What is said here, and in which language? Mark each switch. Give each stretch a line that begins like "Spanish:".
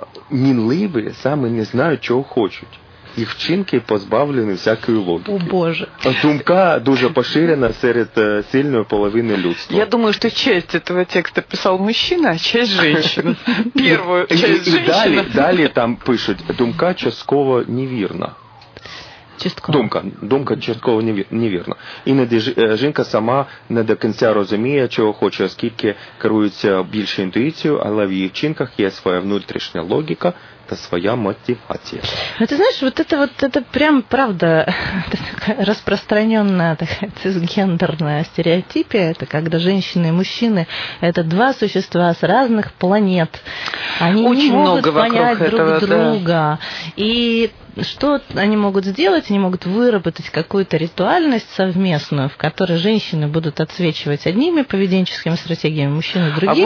Russian: минливые, сами не знают, чего хочут.
Ukrainian: Их вчинки позбавлены всякої логіки. О, Боже. Думка дуже поширена серед сильної половини людства. Я думаю, що часть цього тексту писав мужчина, а часть женщина.
Russian: Первую часть женщина.
Ukrainian: Далі там пишуть, думка частково невірна. Частково. Думка частково невірна. Іноді жінка сама не до кінця розуміє, чого хоче, оскільки керується більше інтуїцією, але в її вчинках є своя внутрішня логіка, своя мотивация.
Russian: Ну, ты знаешь, вот это прям правда распространенная такая цисгендерная стереотипия. Это когда женщины и мужчины — это два существа с разных планет. Они очень не много могут понять этого, друг друга. Да. И что они могут сделать? Они могут выработать какую-то ритуальность совместную, в которой женщины будут отсвечивать одними поведенческими стратегиями, мужчины другими.